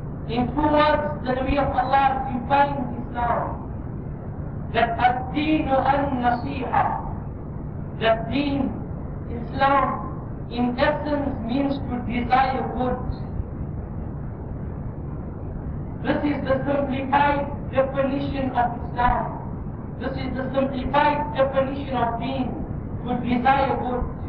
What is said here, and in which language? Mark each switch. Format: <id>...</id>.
<en>In two words, the Nabi of Allah defines Islam.</en> <ar>That الدين النصيحة.</ar> <en>That deen, Islam, in essence means to desire good. This is the simplified definition of Islam. This is the simplified definition of deen, to desire good.</en>